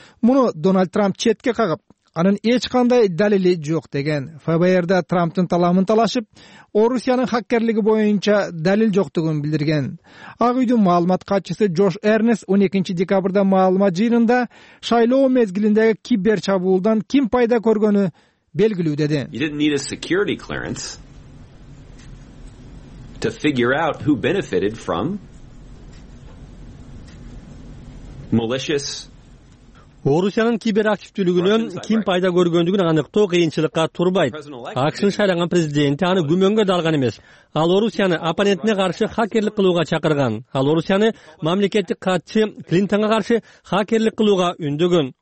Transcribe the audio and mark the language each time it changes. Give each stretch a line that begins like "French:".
Kyrgyz: Муну Дональд Трамп четке кагып, анын эч кандай далили жок деген. ФБРда Трамптын таламын талашып, Орусиянын хаккерлиги боюнча далил жоктугун билдирген. Ак үйдүн маалымат катчысы Джош Эрнес 12 декабрда маалымат жыйынында шайлоо мезгилиндеги кибер чабуулдан ким пайда көргөнү белгилүү деди.
English: You didn't need a security clearance to figure out who benefited from malicious
Kyrgyz: Орусиянын киберактивдүүлүгүнөн ким пайда көргөндүгүн аныктоо кыйынчылыкка турбайт. АКШ шайланган президенти аны күмөнгө далган эмес. Ал Орусияны оппонентине каршы хакерлик кылууга чакырган. Ал Орусияны мамлекеттик катчы Клинтонго каршы хакерлик кылууга үндөгөн.